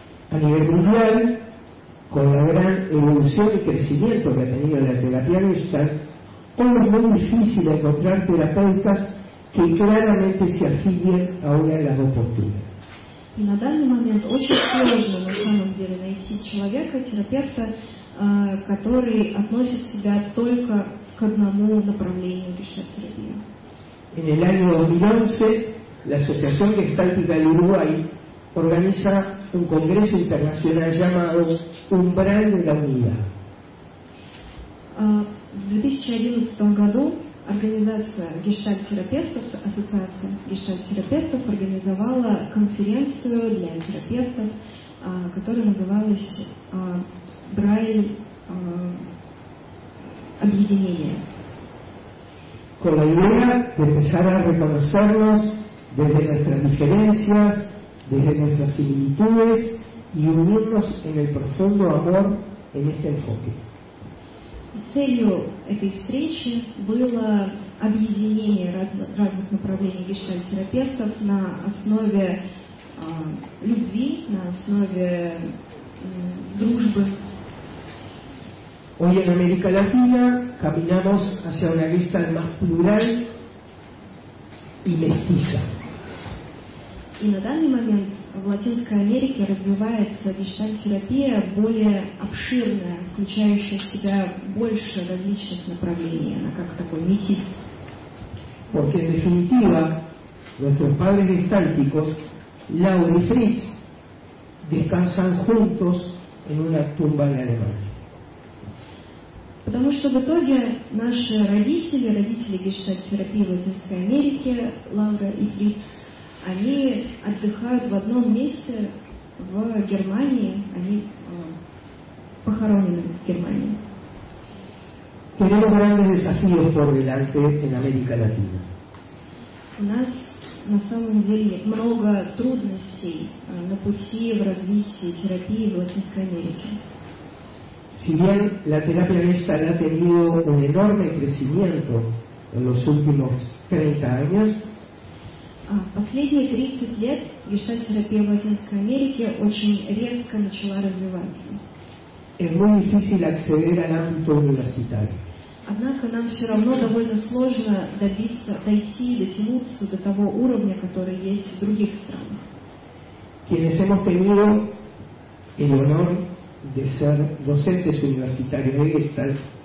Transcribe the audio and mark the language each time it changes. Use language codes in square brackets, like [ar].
[es] A nivel mundial, con la gran evolución y crecimiento que ha tenido la terapia Gestalt, hoy es muy difícil encontrar terapeutas que claramente se afilien a una de las dos posturas. [ru] Y на данный момент очень сложно на самом деле найти человека, терапевта, который относит себя только к одному направлению гештальт-терапии. [es] En el año 2011, la Asociación Gestáltica del Uruguay organiza un congreso internacional llamado Umbral de la Unidad. [ru] В 2011 году организация гештальт-терапевтов, ассоциация гештальт-терапевтов организовала конференцию для терапевтов, которая называлась Брайль объединение. [es] Con la idea de empezar a reconocernos desde nuestras diferencias, desde nuestras similitudes y unirnos en el profundo amor en este enfoque. [ru] Целью этой встречи было объединение разных направлений гештальт-терапевтов на основе любви, на основе дружбы. [es] Hoy en América Latina caminamos hacia una vista más plural y mestiza. [ru] И на данный момент в Латинской Америке развивается гештальт-терапия более обширная, включающая в себя больше различных направлений. Она как такой метис. [es] Porque en definitiva, nuestros padres gestálticos, Laura y Fritz, descansan juntos en una tumba en Alemania. [ru] Потому что в итоге наши родители, родители гештальт-терапии в Латинской Америке, Лаура и Фриц, они отдыхают в одном месте в Германии, они похоронены в Германии. [es] Tenemos grandes desafíos por delante en América Latina. [ru] У нас на самом деле много трудностей на пути в развитии терапии в Латинской Америке. [es] Si bien la terapia gestal ha tenido un enorme crecimiento en los últimos 30 años, [ru] последние 30 лет гештальт-терапия в Латинской Америке очень резко начала развиваться. [es] Es muy difícil acceder al ámbito universitario. [ru] Однако нам все равно довольно сложно добиться, дойти, дотянуться до того уровня, который есть в других странах. [es] Quienes hemos tenido el honor de ser docentes universitarios de Gestalt.